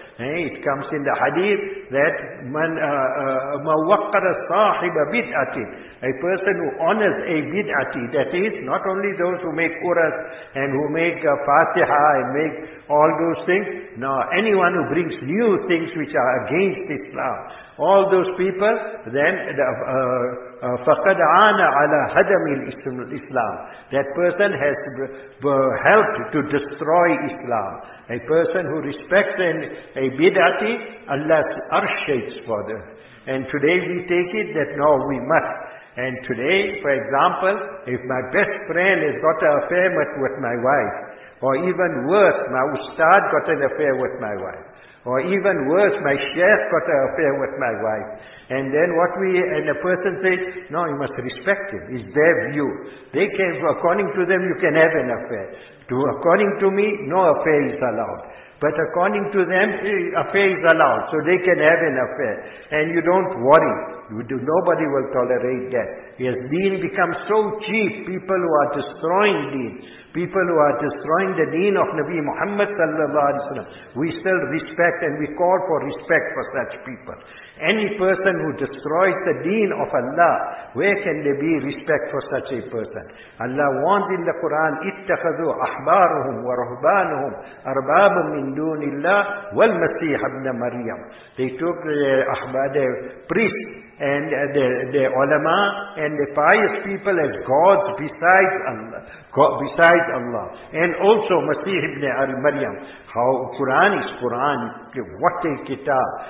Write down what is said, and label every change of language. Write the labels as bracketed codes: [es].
[en] It comes in the hadith that [ar] man mawakkara sahiba bid'atin. [en] A person who honors a bid'ati, that is, not only those who make quras and who make fatiha and make all those things, no, anyone who brings new things which are against Islam, all those people, then [ar] فقد عانى على هدم الإسلام. [en] That person has helped to destroy Islam. A person who respects a bid'ati, Allah's arsh shakes for them. And today we take it that no, we must. And today, for example, if my best friend has got an affair with my wife, or even worse, my ustad got an affair with my wife, or even worse, my sheikh got an affair with my wife, and then a person says, no, you must respect him. It's their view. They can, according to them, you can have an affair. According to me, no affair is allowed. But according to them, affair is allowed, so they can have an affair. And you don't worry. Nobody will tolerate that. Yes, deen becomes so cheap. People who are destroying deen, people who are destroying the deen of Nabi Muhammad sallallahu alaihi wasallam, we still respect and we call for respect for such people. Any person who destroys the deen of Allah, where can there be respect for such a person? Allah warns in the Quran, [ar] اتخذوا أحبارهم ورهبانهم أربابا من دون الله والمسيح ابن مريم. [en] They took the priests and the ulama and the pious people as gods besides Allah. Besides Allah. And also Masih ibn al-Maryam. How Quran is Quran. What a kitab.